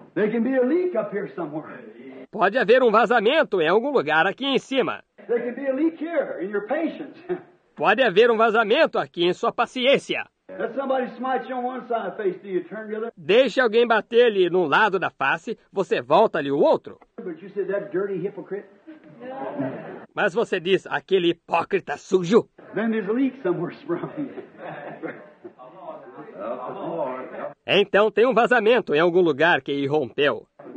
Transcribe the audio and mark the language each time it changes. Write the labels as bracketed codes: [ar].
[en] There can be a leak up here somewhere. [pt] Pode haver um vazamento em algum lugar aqui em cima. [en] There can be a leak here in your patience. [pt] Pode haver um vazamento aqui em sua paciência. [en] Let somebody smite you on one side of the face, do you turn the other? [pt] Deixe alguém bater-lhe num lado da face, você volta-lhe o outro. [en] But you said that dirty hypocrite. [pt] Mas você diz, aquele hipócrita sujo. [en] Then there's a leak somewhere from you. [pt] Então tem um vazamento em algum lugar que irrompeu.